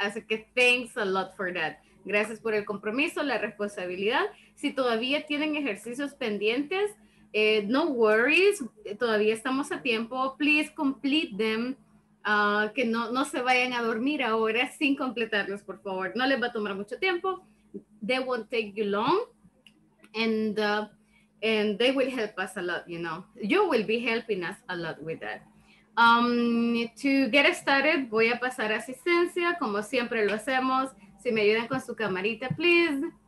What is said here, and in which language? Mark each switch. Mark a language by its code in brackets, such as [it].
[es] Así que, [en] thanks a lot for that. [es] Gracias por el compromiso, la responsabilidad. Si todavía tienen ejercicios pendientes, [en] no worries. [es] Todavía estamos a tiempo. [en] Please complete them. [es] Que no se vayan a dormir ahora sin completarlos, por favor. No les va a tomar mucho tiempo. [en] They won't take you long. And they will help us a lot, you know. You will be helping us a lot with that. To get started, [es] voy a pasar asistencia, como siempre lo hacemos. Si me ayudan con su camarita, [en] please.